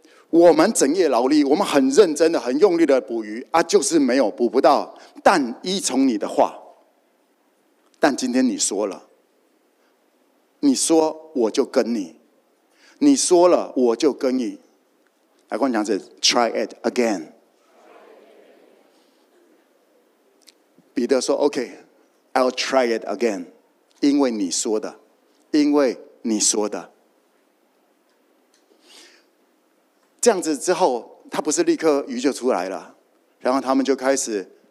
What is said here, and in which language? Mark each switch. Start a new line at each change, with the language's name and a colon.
Chinese: 我们整夜劳力，我们很认真的、很用力的捕鱼啊，就是没有捕不到。但依从你的话，但今天你说了，你说我就跟你，你说了我就跟你。来，跟我讲是
English: try it again。
Chinese: 彼得说
English: OK， I'll try it again，
Chinese: 因为你说的，因为你说的。这样子之后，他不是立刻鱼就出来了，然后他们就开始